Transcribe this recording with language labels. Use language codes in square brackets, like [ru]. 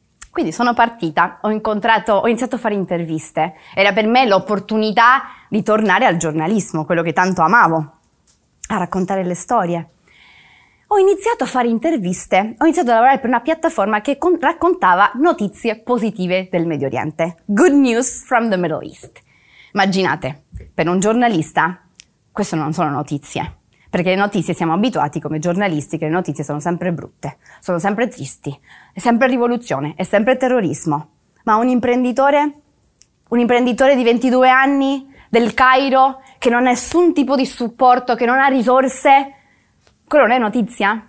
[it] Quindi sono partita, ho iniziato a fare interviste. Era per me l'opportunità di tornare al giornalismo, quello che tanto amavo, a raccontare le storie. Ho iniziato a fare interviste, ho iniziato a lavorare per una piattaforma che raccontava notizie positive del Medio Oriente. [en] Good news from the Middle East. [it] Immaginate, per un giornalista, queste non sono notizie. Perché le notizie, siamo abituati come giornalisti, che le notizie sono sempre brutte, sono sempre tristi, è sempre rivoluzione, è sempre terrorismo. Ma un imprenditore di 22 anni, del Cairo, che non ha nessun tipo di supporto, che non ha risorse, quello non è notizia?